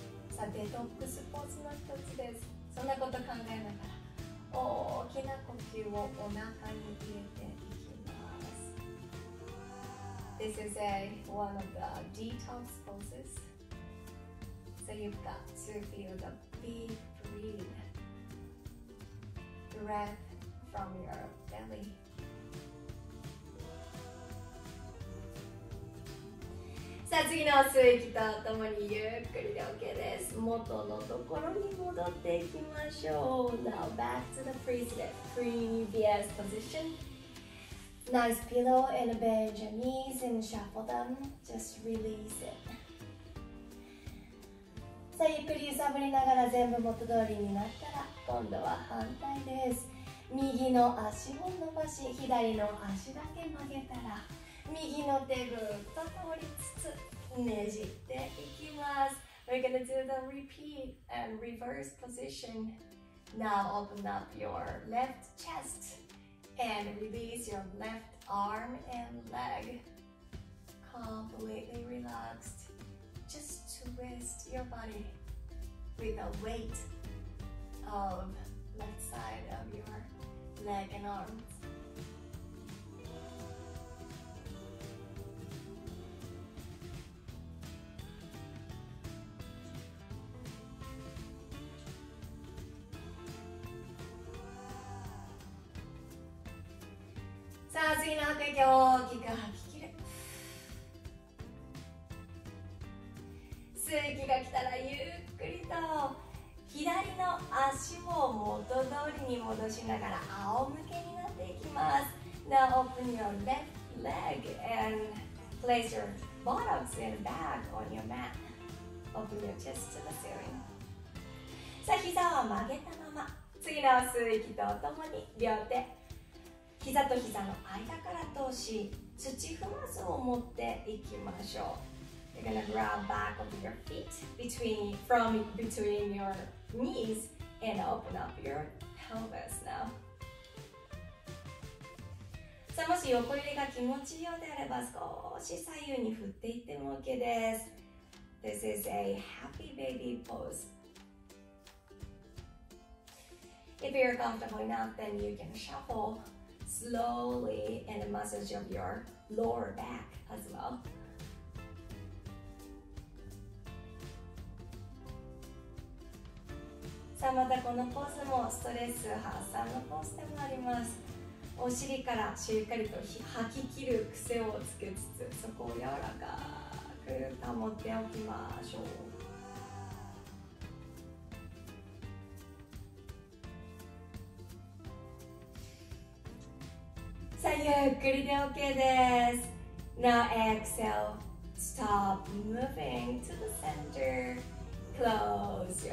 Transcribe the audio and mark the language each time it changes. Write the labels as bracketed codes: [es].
[ja] さあデトックスポーズの一つです。そんなこと考えながら大きな呼吸をお腹に入れていきます。 [en] This is a one of the detox poses. So you've got to feel the deep breathing breath from your belly [ja] さあ次の吸う息とともにゆっくりで OK です。元のところに戻っていきましょう。 [en] Now back to the previous position. Nice pillow and bend your knees and shuffle them. Just release it. [ja] さあゆっくり揺さぶりながら全部元通りになったら今度は反対です。右の足を伸ばし左の足だけ曲げたら右の手ぐっと通りつつねじっていきます。 [en] We're gonna do the repeat and reverse position. Now open up your left chest and release your left arm and leg. Completely relaxed. Just twist your body with the weight of left side of your leg and arm [ja] さあ次の吐く息を大きく吐き切る。吸う息が来たらゆっくりと左の足を元通りに戻しながら仰向けになっていきます。 [en] Now open your left leg and place your buttocks and back on your mat. Open your chest to the ceiling. [ja] さあ膝を曲げたまま次の吸う息とともに両手膝と膝の間から通し、土踏まずを持っていきましょう。 [en] You're gonna grab back of your feet between your knees and open up your pelvis now. [ja] さあもし横揺れが気持ちいいようであれば少し左右に振っていっても OK です。 [en] This is a happy baby pose. If you're comfortable enough, then you can shuffle. Slowly and the muscles of your lower back as well. [ja] さあまたこのポーズもストレス発散のポーズでもあります。お尻からしっかりと吐き切る癖をつけつつそこを柔らかく保っておきましょう。さあゆっくりで OK です。 [en] Now exhale, stop moving to the center, close